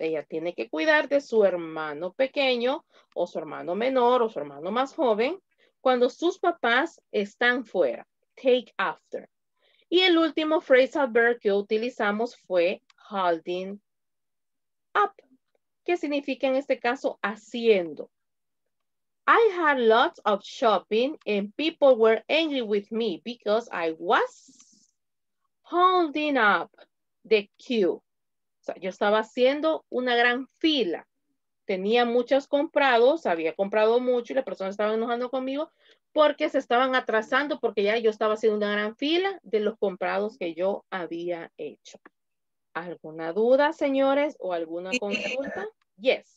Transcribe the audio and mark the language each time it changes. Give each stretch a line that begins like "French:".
Spanish: Ella tiene que cuidar de su hermano pequeño o su hermano menor o su hermano más joven cuando sus papás están fuera. Take after. Y el último phrasal verb que utilizamos fue holding up, que significa en este caso haciendo.
English: I had lots of shopping and people were angry with me because I was holding up the queue.
Spanish: O sea, yo estaba haciendo una gran fila. Tenía muchos comprados, había comprado mucho y la persona estaba enojando conmigo porque se estaban atrasando porque ya yo estaba haciendo una gran fila de los comprados que yo había hecho. ¿Alguna duda, señores, o alguna consulta? Yes.